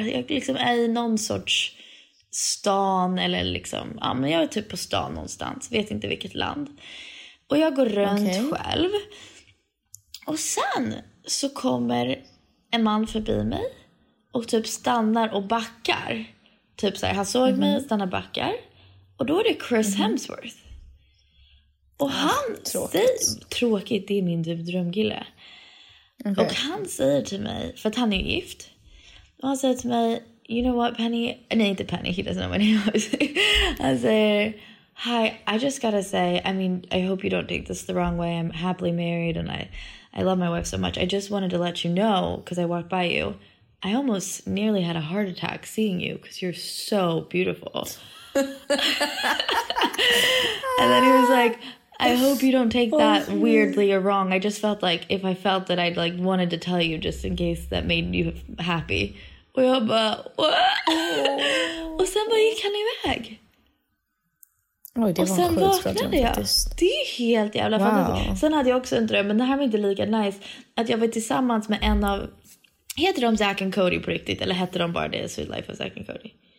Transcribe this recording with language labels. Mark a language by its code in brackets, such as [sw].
[sv] Jag liksom är i någon sorts... stan eller liksom, ja, men jag är typ på stan någonstans, vet inte vilket land, och jag går runt själv, och sen så kommer en man förbi mig och typ stannar och backar typ så här, han såg mig, stannar och backar, och då är det Chris Hemsworth, och han tråkigt, det är min typ drömgille, och han säger till mig, för att han är gift, och han säger till mig, [en] you know what, [sv] Penny? Nej, inte Penny. [en] He doesn't know my name. [sv] Han säger, [en] hi, I just gotta say, I mean, I hope you don't take this the wrong way. I'm happily married and I love my wife so much. I just wanted to let you know, because I walked by you, I almost nearly had a heart attack seeing you, because you're so beautiful. And then he was like, I hope you don't take that weirdly or wrong. I just felt like, if I felt that, I'd like wanted to tell you just in case that made you happy. [sv] Och jag bara, och sen bara gick han iväg. Oj, det och sen var vaknade jag. Det är helt jävla fantastiskt. Sen hade jag också en dröm, men det här var inte lika nice. Att jag var tillsammans med en av... Heter de Zack and Cody på riktigt? Eller heter de bara det Sweet Life of Zack and Cody?